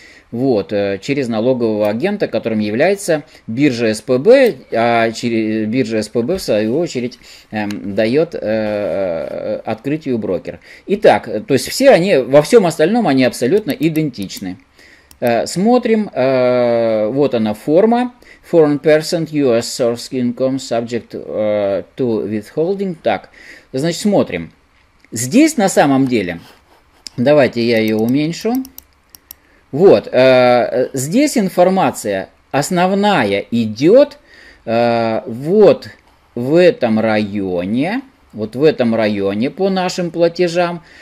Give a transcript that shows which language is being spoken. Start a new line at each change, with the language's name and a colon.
Russian: Вот, через налогового агента, которым является биржа СПБ, а биржа СПБ, в свою очередь, дает открытию брокер. Итак, то есть все они, во всем остальном они абсолютно идентичны. Смотрим, вот она форма.
English: Foreign person, US source income, subject to withholding.
Russian: Так, значит, смотрим. Здесь на самом деле, давайте я ее уменьшу. Вот, здесь информация основная идет вот в этом районе, по нашим платежам.